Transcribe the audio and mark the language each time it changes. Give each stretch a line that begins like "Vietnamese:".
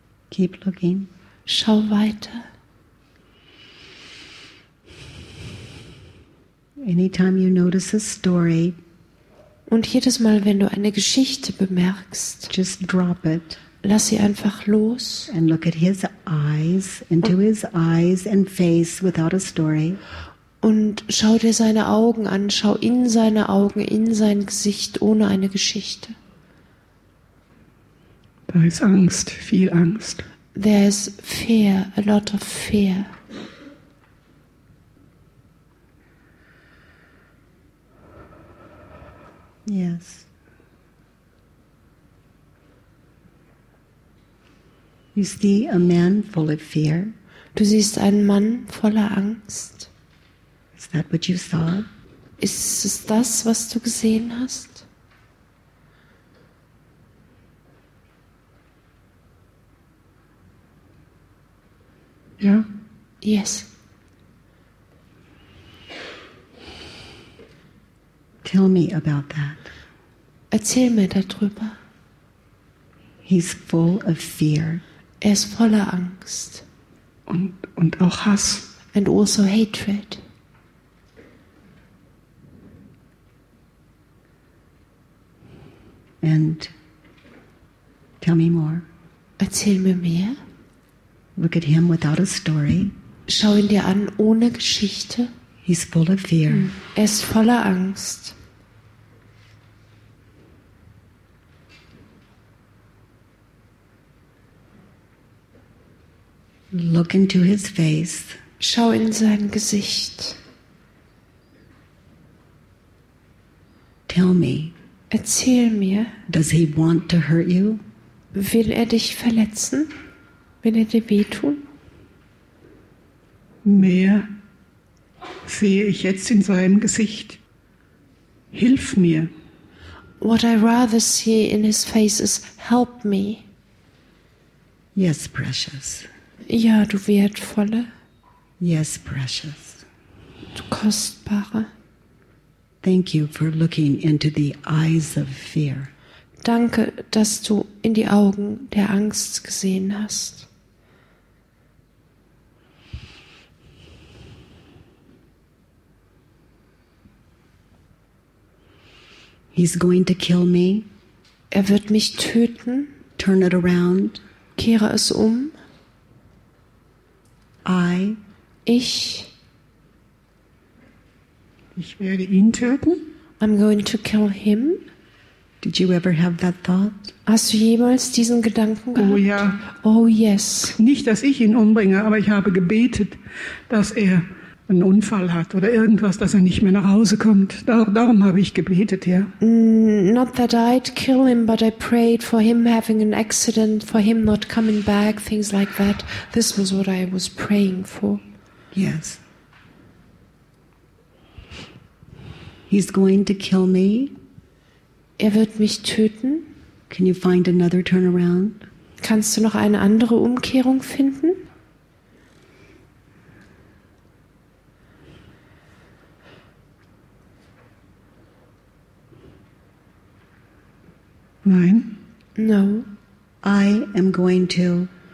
English: Keep looking.
German: Schau weiter.
English: Anytime you notice a story.
German: Und jedes Mal, wenn du eine Geschichte bemerkst.
English: Just drop it.
German: Lass sie einfach los.
English: And look at his eyes, into his eyes and face without a story.
German: Und schau dir seine Augen an, schau in seine Augen, in sein Gesicht, ohne eine Geschichte. Da ist Angst, viel Angst.
English: There is fear, a lot of fear. Yes. You see a man full of fear.
German: Du siehst einen Mann voller Angst.
English: Is that what you saw?
German: Ist es das, was du gesehen hast? Ja.
English: Yes. Tell me about that.
German: Erzähl mir darüber.
English: He's full of fear.
German: Ist voller Angst. Und auch Hass.
English: and also hatred. And tell me more.
German: Erzähl mir mehr.
English: Look at him without a story.
German: Schau ihn dir an ohne Geschichte.
English: He's full of fear.
German: Er ist voller Angst.
English: Look into his face.
German: Schau in sein Gesicht.
English: Tell me.
German: Erzähl mir.
English: Does he want to hurt you?
German: Will er dich verletzen? Will er dir wehtun? Mehr sehe ich jetzt in seinem Gesicht. Hilf mir.
English: What I rather see in his face is help me. Yes, precious.
German: Ja, du Wertvolle.
English: Yes, precious.
German: Du Kostbare.
English: Thank you for looking into the eyes of fear.
German: Danke, dass du in die Augen der Angst gesehen hast.
English: He's going to kill me.
German: Er wird mich töten.
English: Turn it around.
German: Kehre es um. Ich werde ihn töten.
English: I'm going to kill him. Did you ever have that thought?
German: Hast du jemals diesen Gedanken gehabt? Oh ja.
English: Oh yes.
German: Nicht, dass ich ihn umbringe, aber ich habe gebetet, dass er einen Unfall hat oder irgendwas, dass er nicht mehr nach Hause kommt. Darum habe ich gebetet, ja.
English: Not that I'd kill him, but I prayed for him having an accident, for him not coming back, things like that. This was what I was praying for. Yes. He's going to kill me.
German: Er wird mich töten.
English: Can you find another turnaround?
German: Kannst du noch eine andere Umkehrung finden? Nein.
English: No. I am going to.